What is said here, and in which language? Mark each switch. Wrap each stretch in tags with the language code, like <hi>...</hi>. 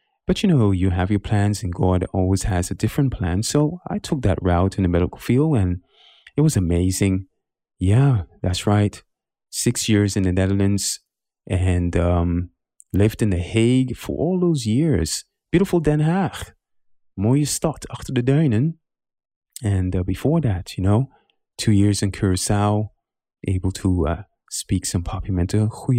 <en>But you know, you have your plans and God always has a different plan. So I took that route in the medical field and it was amazing. Yeah, that's right. 6 years in the Netherlands and lived in The Hague for all those years. Beautiful Den Haag.</en> <nl>Mooie stad achter de duinen.</nl> <en>And before that, you know, 2 years in Curacao, able to speak some Papiamento.</en>